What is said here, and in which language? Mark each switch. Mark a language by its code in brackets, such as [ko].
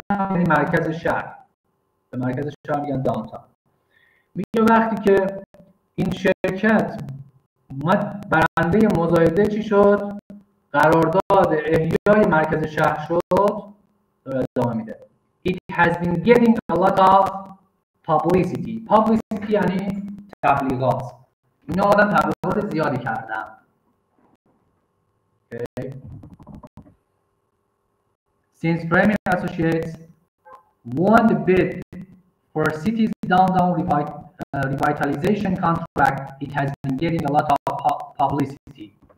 [fa] یعنی مرکز شهر، به مرکز شهر میگن دانتان. میگه وقتی که این شرکت برنده مزایده چی شد؟ قرارداد احیای مرکز شهر شد، داره ادامه میده. [en] It has been getting a lot of publicity. [fa] Publicity یعنی تبلیغات. اینا آدم تبلیغات زیادی کردن. [en] Okay. Since Premier Associates won the bid for city's downtown revitalization contract, it has been getting a lot of publicity.